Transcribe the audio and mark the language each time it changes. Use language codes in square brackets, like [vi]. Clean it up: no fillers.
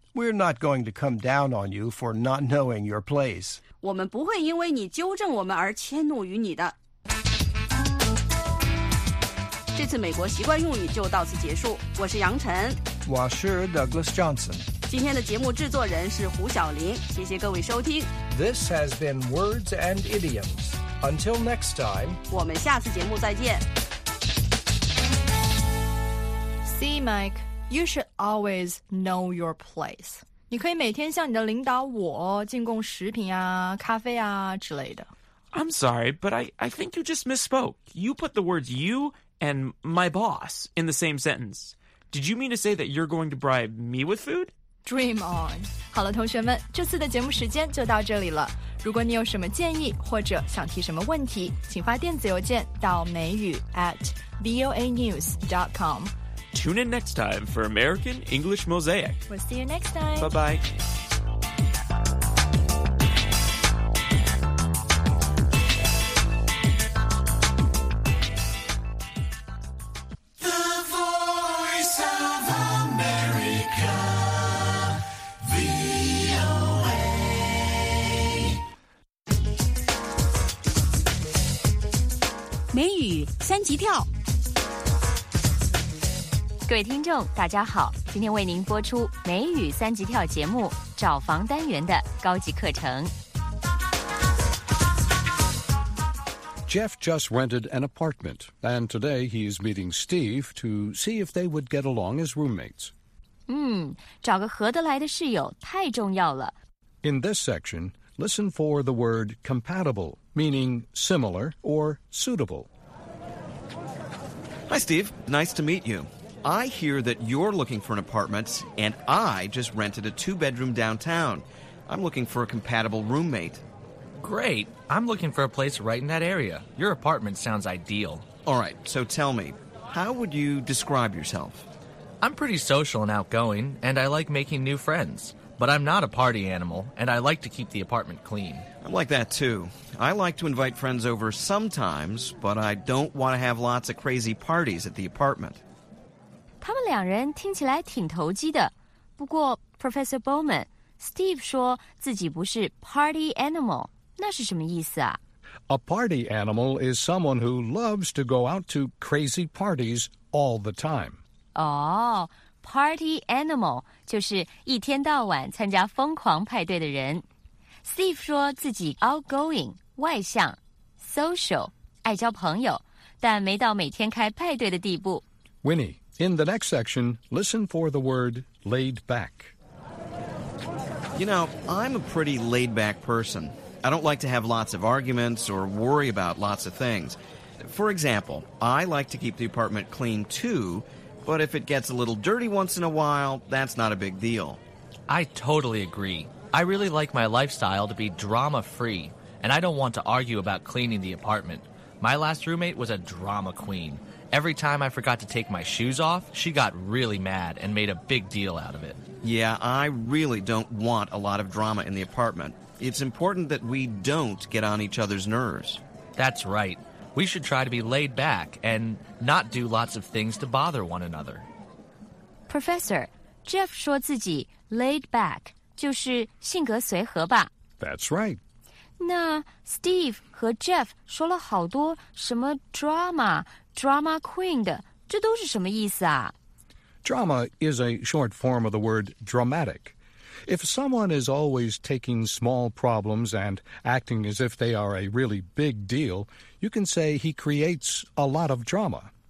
[en] We're not going to come down on you for not knowing your place. [zh] 我们不会因为你纠正我们而迁怒于你的。这次美国习惯用语就到此结束。我是杨晨。我是 Douglas Johnson。今天的节目制作人是胡晓琳。谢谢各位收听。 [en] This has been Words and Idioms. Until next time. [zh] 我们下次节目再见。 [en] See Mike. You should always know your place. [zh] 你可以每天向你的领导我进贡食品啊、咖啡啊之类的。 [en] I'm sorry, but I think you just misspoke. You put the words you and my boss in the same sentence. Did you mean to say that you're going to bribe me with food? Dream on. [zh] 好了，同学们，这次的节目时间就到这里了。如果你有什么建议或者想提什么问题，请发电子邮件到美语@voanews.com。 [en] Tune in next time for American English Mosaic. We'll see you next time. Bye-bye. The Voice of America, VOA. [zh] 三级跳。各位听众大家好，今天为您播出美语三级跳节目找房单元的高级课程。 [en] Jeff just rented an apartment, and today he's meeting Steve to see if they would get along as roommates. [zh] 找个合得来的室友太重要了。 [en] In this section, listen for the word compatible, meaning similar or suitable. Hi, Steve. Nice to meet you. I hear that you're looking for an apartment, and I just rented a 2-bedroom downtown. I'm looking for a compatible roommate. Great. I'm looking for a place right in that area. Your apartment sounds ideal. All right, so tell me, how would you describe yourself? I'm pretty social and outgoing, and I like making new friends. But I'm not a party animal, and I like to keep the apartment clean. I like that, too. I like to invite friends over sometimes, but I don't want to have lots of crazy parties at the apartment. [zh] 他们两人听起来挺投机的。不过 Professor Bowman, Steve 说自己不是 party animal. 那是什么意思啊? [en] A party animal is someone who loves to go out to crazy parties all the time. [zh] Oh, party animal 就是一天到晚参加疯狂派对的人。 Steve 说自己 outgoing, 外向, social, 爱交朋友,但没到每天开派对的地步。 [en] Winnie, in the next section, listen for the word laid back. You know, I'm a pretty laid back person. I don't like to have lots of arguments or worry about lots of things. For example, I like to keep the apartment clean too, but if it gets a little dirty once in a while, that's not a big deal. I totally agree. I really like my lifestyle to be drama-free, and I don't want to argue about cleaning the apartment. My last roommate was a drama queen. Every time I forgot to take my shoes off, she got really mad and made a big deal out of it. Yeah, I really don't want a lot of drama in the apartment. It's important that we don't get on each other's nerves. That's right. We should try to be laid back and not do lots of things to bother one another. [zh] Professor, Jeff 说自己 laid back 就是性格随和吧。 [en] That's right. [zh] 那 Steve 和 Jeff 说了好多什么 drama, drama queen 的，这都是什么意思啊? [en] Drama is a short form of the word dramatic. If someone is always taking small problems and acting as if they are a really big deal, you can say he creates a lot of drama.